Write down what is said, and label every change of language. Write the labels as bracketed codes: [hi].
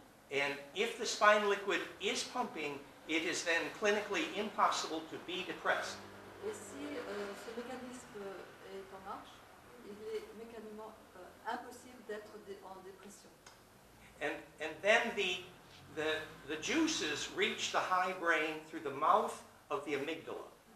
[en] And if the spine liquid is pumping, it is then clinically impossible to be depressed. [fr] Et si ce mécanisme est en marche, il est mécaniquement impossible d'être en dépression. [en] And then the juices reach the high brain through the mouth of the amygdala.